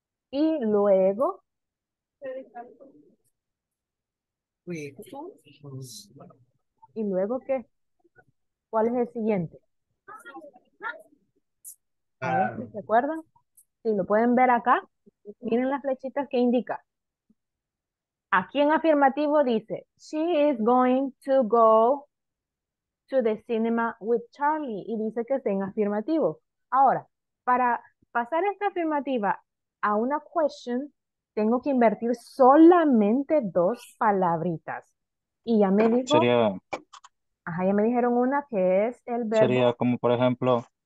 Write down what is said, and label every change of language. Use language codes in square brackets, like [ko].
[es] Y luego, ¿qué? ¿Cuál es el siguiente? A ver si se acuerdan. Si lo pueden ver acá, miren las flechitas que indica. Aquí en afirmativo dice, [en] she is going to go to the cinema with Charlie. [es] Y dice que está en afirmativo. Ahora, para pasar esta afirmativa a una question, tengo que invertir solamente dos palabritas. Y ya me dijo, ajá, ya me dijeron una que es el Sería verbo. como por ejemplo